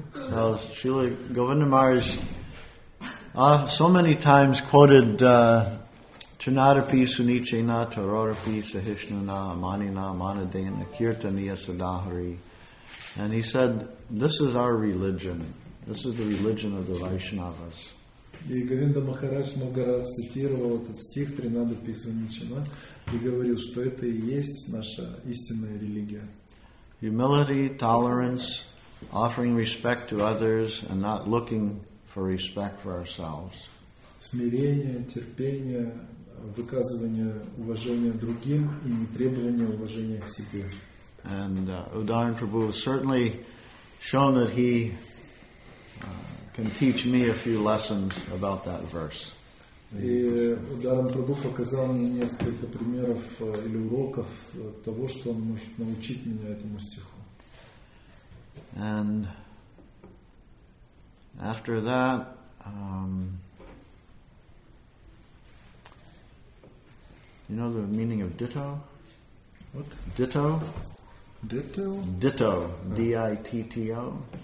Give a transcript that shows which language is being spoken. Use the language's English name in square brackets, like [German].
[English] Well, Srila Govinda Maharaj so many times quoted Trinadapi Suniche Na Tararapi Sahishnu Na Amani Na Manadena Kirtaniya Sadahari. And he said, this is our religion. This is the religion of the Vaishnavas. [Russian] И Говинда Махарадж много раз цитировал этот стих Тринадапи Суниче Na и говорил, что это и есть наша истинная религия. [English] Humility, tolerance, offering respect to others and not looking for respect for ourselves. [Russian] Смирение, терпение, выказывание уважения другим и не требование уважения к себе. [English] And Udayan Prabhu has certainly shown that he can teach me a few lessons about that verse. [Russian] И Удайан Прабху показал мне несколько примеров или уроков того, что он может научить меня этому стиху. [English] And after that, you know the meaning of ditto? What? Ditto? Ditto? Ditto. No. D-I-T-T-O?